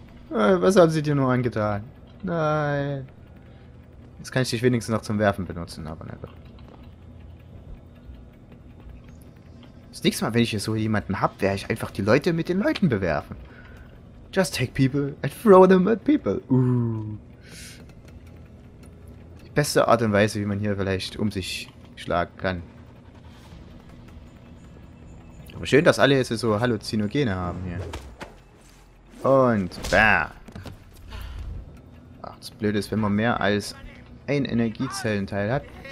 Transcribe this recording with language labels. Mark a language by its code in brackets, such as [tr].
[de] Was haben sie dir nur angetan? Nein. Jetzt kann ich dich wenigstens noch zum Werfen benutzen, aber na gut. Das nächste Mal, wenn ich hier so jemanden hab, werde ich einfach die Leute mit den Leuten bewerfen. [en] Just take people and throw them at people. [de] Die beste Art und Weise, wie man hier vielleicht um sich schlagen kann. Aber schön, dass alle jetzt so Halluzinogene haben hier. Und bam. Ach, das Blöde ist, wenn man mehr als ein Energiezellenteil hat.